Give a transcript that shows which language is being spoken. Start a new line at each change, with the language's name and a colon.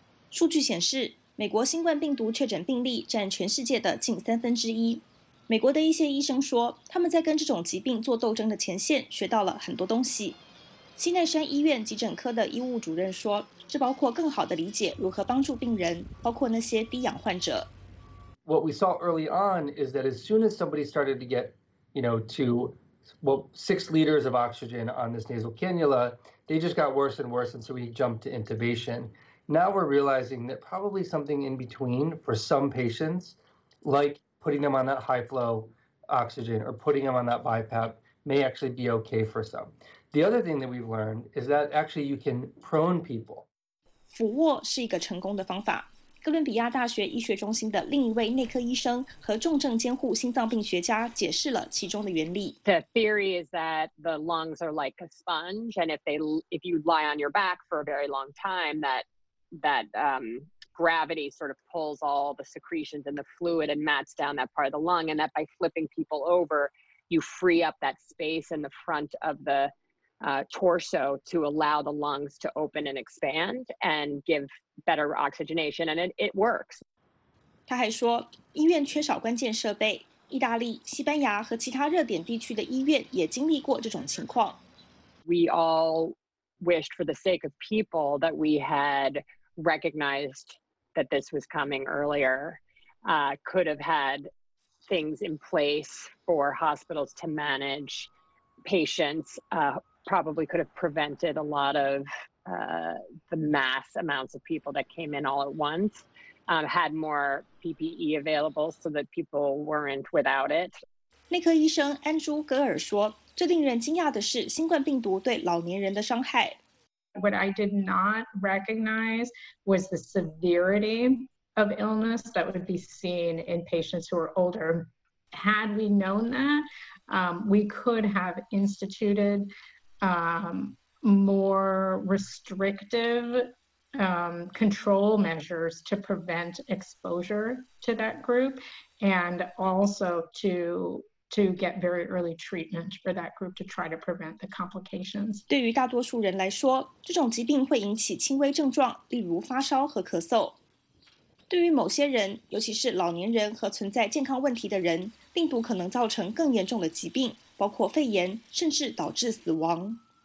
Chinese: 数据显示，美国新冠病毒确诊病例占全世界的近三分之一。美国的一些医生说，他们在跟这种疾病做斗争的前线学到了很多东西。西奈山医院急诊科的医务主任说，这包括更好地理解如何帮助病人，包括那些低氧患者。
English: What we saw early on is that as soon as somebody started to get, you know, six liters of oxygen on this nasal cannula, they just got worse and worse, and so we jumped to intubation. Now we're realizing that probably something in between for some patients, like putting them on that high flow oxygen or putting them on that BiPAP, may actually be okay for some. The other thing that we've learned is that actually you can prone people.
Chinese: 俯卧是一个成功的方法。哥伦比亚大学医学中心的另一位内科医生和重症监护心脏病学家解释了其中的原理。
English: The theory is that the lungs are like a sponge, and if you lie on your back for a very long time, that gravity sort of pulls all the secretions and the fluid and mats down that part of the lung, and that by flipping people over, you free up that space in the front of the torso to allow the lungs to open and expand and give better oxygenation, and it works.
Chinese: 他还说，医院缺少关键设备。意大利、西班牙和其他热点地区的医院也经历过这种情况。
English: We all wished for the sake of people that we had recognized that this was coming earlier, could have had things in place for hospitals to manage patients. Probably could have prevented a lot of the mass amounts of people that came in all at once, had more PPE available so that people weren't without it.
Chinese: 内科医生安朱·格尔说，最令人惊讶的是新冠病毒对老年人的伤害。
English: What I did not recognize was the severity of illness that would be seen in patients who are older. Had we known that, we could have instituted. More restrictive control measures to prevent exposure to that group and also to get very early treatment for that group to try to prevent the complications.
Chinese: 对于大多数人来说，这种疾病会引起轻微症状，例如发烧和咳嗽。对于某些人，尤其是老年人和存在健康问题的人，病毒可能造成更严重的疾病，包括肺炎，甚至导致死亡。